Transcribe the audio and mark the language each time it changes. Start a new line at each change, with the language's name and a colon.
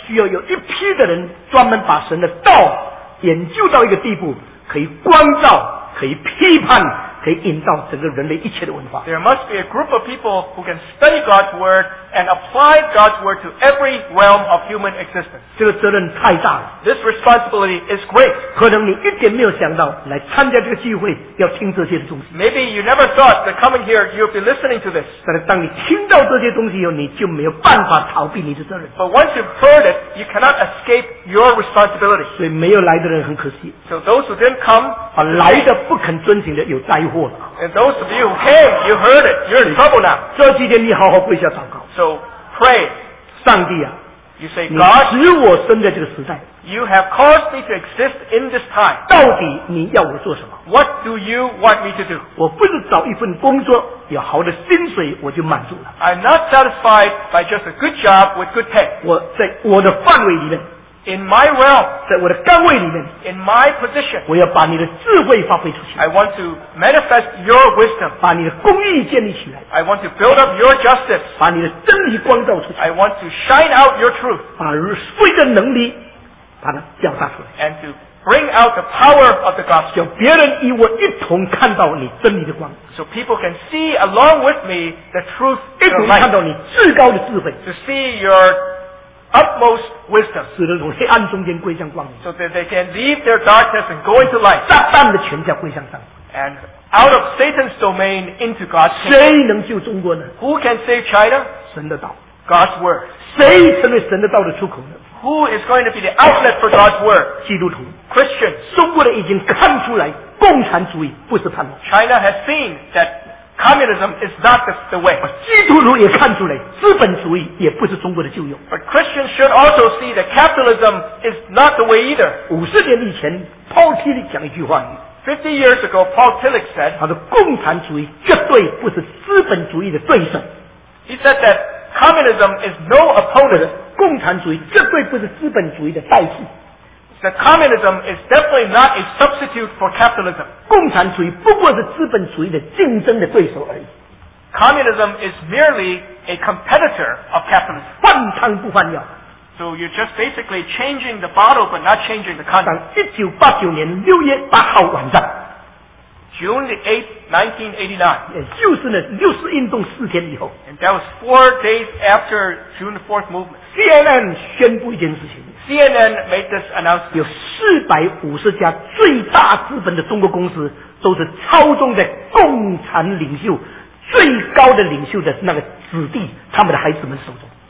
Chinese: 需要有一批的人专门把神的道研究到一个地步，可以光照，可以批判，可以引导整个人类一切的文化。
English: There must be a group of people who can study God's word and apply God's word to every realm of human existence.
Chinese: 这个责任太大了。
English: This responsibility is great.
Chinese: 可能你一点没有想到来参加这个聚会要听这些的东西。
English: Maybe you never thought that coming here you'll be listening to this.
Chinese: 但是当你听到这些东西以后，你就没有办法逃避你的责任。
English: But once you've heard it, you cannot escape your responsibility.
Chinese: 所以没有来的人很可惜。
English: So those who didn't come,
Chinese: 来的不肯遵行的有灾祸。
English: And those of you who came, you heard it. You're in trouble now.
Chinese: 这几天你好好跪下祷告。
English: So pray,
Chinese: 上帝啊，
English: you say, God,
Chinese: 你使我生在这个时代。
English: You have caused me to exist in this time.
Chinese: 到底你要我做什么？
English: What do you want me to do?
Chinese: 我不是找一份工作，有好的薪水我就满足了。
English: I'm not satisfied by just a good job with good pay.
Chinese: 我在我的范围里面。
English: In my realm,
Chinese: 在我的岗位里面,
English: in my position,
Chinese: 我要把你的智慧发挥出去。
English: I want to manifest your wisdom,
Chinese: 把你的公义建立起来。
English: I want to build up your justice,
Chinese: 把你的真理光照出去。
English: I want to shine out your truth,
Chinese: 把福音的能力把它表达出来。
English: And to bring out the power of the gospel,
Chinese: 叫别人与我一同看到你真理的光。
English: So people can see along with me the truth,
Chinese: 一同看到你至高的智慧。
English: To see your utmost wisdom,
Chinese: 使人从黑暗中间归向光明。
English: So that they can leave their darkness and go into light.
Chinese: 撒旦的权柄归向上帝。
English: And out of Satan's domain into God's kingdom.
Chinese: 谁能救中国呢？
English: Who can save China?
Chinese: 神的道。
English: God's word.
Chinese: 谁成为神的道的出口呢？
English: Who is going to be the outlet for God's word?
Chinese: 基督徒。
English: Christians.
Chinese: 中国人已经看出来，共产主义不是盼望。
English: China has seen that. Communism is not the way.
Chinese: 基督徒也看出来，资本主义也不是中国的救用。
English: But Christians should also see that capitalism is not the way either.
Chinese: 五十年以前 ，Paul Tillich 讲一句话。
English: 50 years ago, Paul Tillich said,
Chinese: 他说共产主义绝对不是资本主义的对手。
English: He said that communism is no opponent.
Chinese: 共产主义绝对不是资本主义的代替。
English: That communism is definitely not a substitute for capitalism.
Chinese: 共产主义不过是资本主义的竞争的对手而已。
English: Communism is merely a competitor of capitalism.
Chinese: 换汤不换药。
English: So you're just basically changing the bottle but not changing the content.
Chinese: 1989年6月8号晚上。
English: June the 8th, 1989.
Chinese: 也就是呢，六四运动四天以后。
English: And that was 4 days after June the 4th movement.
Chinese: CNN 宣布一件事情。
English: CNN made this announcement.
Chinese: 有450家最大资本的中国公司都是操纵在共产领袖最高的领袖的那个子弟他们的孩子们手中。